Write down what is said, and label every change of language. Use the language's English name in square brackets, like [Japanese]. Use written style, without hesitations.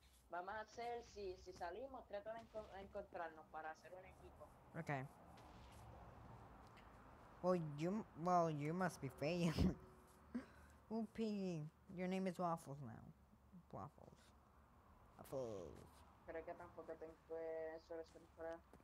[Spanish] Vamos a hacer, si salimos, trato de encontrarnos para hacer un equipo. [English] Okay. Well, you must be failing. Oopie, your name is Waffles now. Waffles. Waffles. [Spanish] Creo que tampoco tengo eso de temporada.